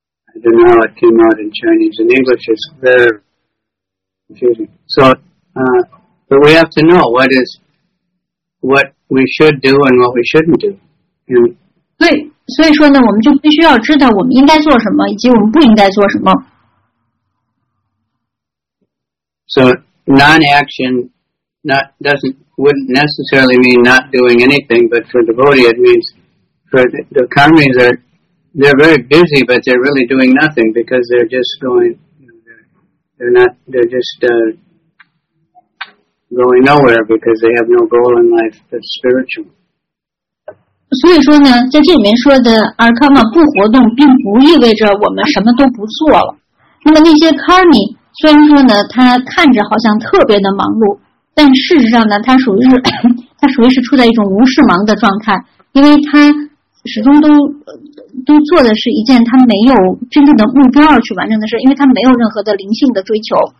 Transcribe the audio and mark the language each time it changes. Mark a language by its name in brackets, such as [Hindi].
[English] I don't know how it came out in Chinese. In English, it's very confusing. So, but we have to know what is what we should do and what we shouldn't do. [Chinese] 对，所以说呢，我们就必须要知道我们应该做什么，以及我们不应该做什么。 [English] So non-action wouldn't necessarily mean not doing anything, but for devotee it means for the karmis they're very busy, but they're really doing nothing because they're just going, you know, they're just going nowhere because they have no goal in life that's spiritual. [Chinese] 所以说呢，在这里面说的 arkama 不活动，并不意味着我们什么都不做了。那么那些 karmi。虽然说呢，他看着好像特别的忙碌，但事实上呢，他属于是处在一种无事忙的状态，因为他始终都做的是一件他没有真正的目标而去完成的事，因为他没有任何的灵性的追求。